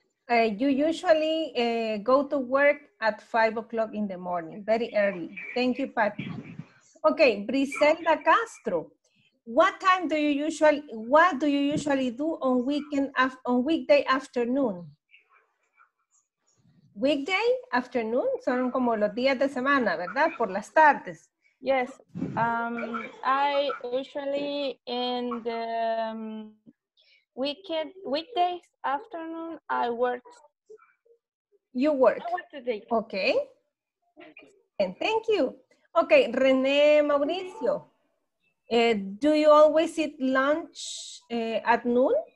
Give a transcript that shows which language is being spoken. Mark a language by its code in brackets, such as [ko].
[en] You usually go to work at 5 o'clock in the morning, very early. Thank you, Pat. Okay, Briselda Castro, what do you usually do on weekday afternoon? [es] Weekday afternoon son como los días de semana, ¿verdad? Por las tardes. [en] Yes, I usually in the weekdays afternoon, I work. You work. I work today. Okay. And thank you. Okay, René Mauricio, do you always eat lunch at noon?